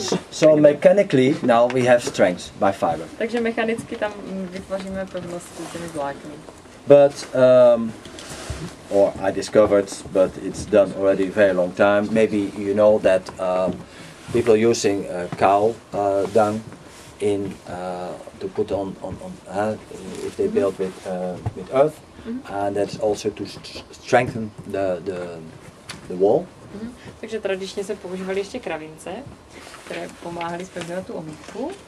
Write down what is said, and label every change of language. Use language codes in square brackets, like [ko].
[en] So mechanically now we have strength by fiber. [cs] Takže mechanicky tam vytvoříme pevnosti těmi vlákny. [en] But or I discovered, but it's done already very long time. Maybe you know that people using cow dung in to put on if they build with earth. Mm-hmm. And that's also to strengthen the wall. Mm-hmm. [cs] Takže tradičně se používaly ještě kravince, které pomáhaly zpevňovat tu omítku.